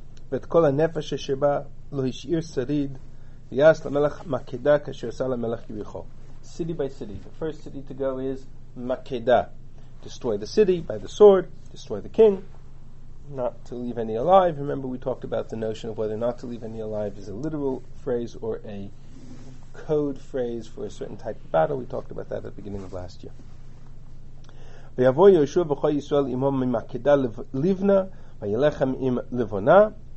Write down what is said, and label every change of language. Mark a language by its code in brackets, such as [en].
[he] ואת כל הנפש ששבה לא השאיר שריד ויעש למלך מקדה כאשר עשה למלך יריחו. [en] City by city. The first city to go is Makedah. Destroy the city by the sword. Destroy the king. Not to leave any alive. Remember, we talked about the notion of whether not to leave any alive is a literal phrase or a code phrase for a certain type of battle. We talked about that at the beginning of last year. [he] ויבוא יהושע וכל ישראל עמו ממקדה לבנה וילחם עם לבונה.